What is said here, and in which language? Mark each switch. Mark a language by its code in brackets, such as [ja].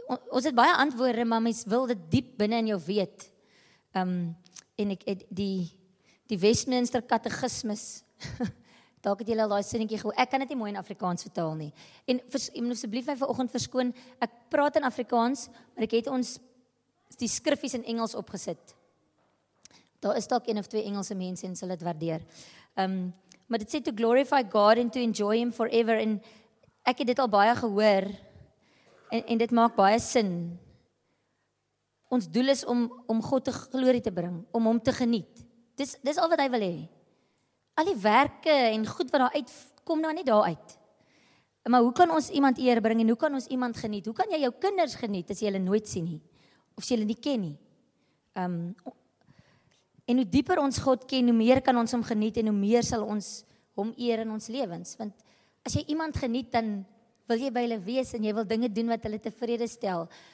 [af] Ons het baie antwoorde, maar mens wil dit diep binnen in jou weet. En ek het die Westminster Katechismus, daak het julle al die sinnetjie gehoor, ek kan dit nie mooi in Afrikaans vertaal nie. En jy moet asseblief my vanoggend verskoon, ek praat in Afrikaans, maar ek het ons die skrifies in Engels opgesit. Daar is dalk een of twee Engelse mense en sal dit waardeer. Maar dit sê, [en] to glorify God and to enjoy Him forever. [af] En ek het dit al baie gehoor. En dit maak baie sin. Ons doel is om God te glorie te bring. Om Hom te geniet. Dis al wat hy wil hê. Al die werke en goed wat daar uit, kom nou nie daar uit. Maar hoe kan ons iemand eer bring en hoe kan ons iemand geniet? Hoe kan jy jou kinders geniet as jy hulle nooit sien nie? Of jy hulle nie ken nie. En hoe dieper ons God ken, hoe meer kan ons Hom geniet en hoe meer sal ons Hom eer in ons lewens. Want as jy iemand geniet, dan wil jy by hulle wees en jy wil dinge doen wat hulle tevrede stel.